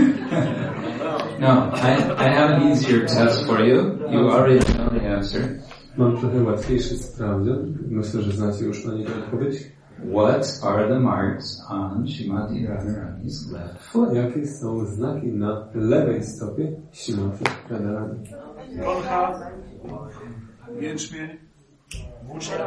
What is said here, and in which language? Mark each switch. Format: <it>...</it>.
<en>No, I have an easier test for you. You already know the answer.</en> <pl>Mam trochę łatwiejszy sprawdzian. Myślę, że znacie już na niego odpowiedź.</pl> <en>What are the marks on Srimati Radharani's left foot?</en> <pl>Jakie są znaki na lewej stopie Srimati Radharani? Kolcha, jęczmień, włócznia,</pl>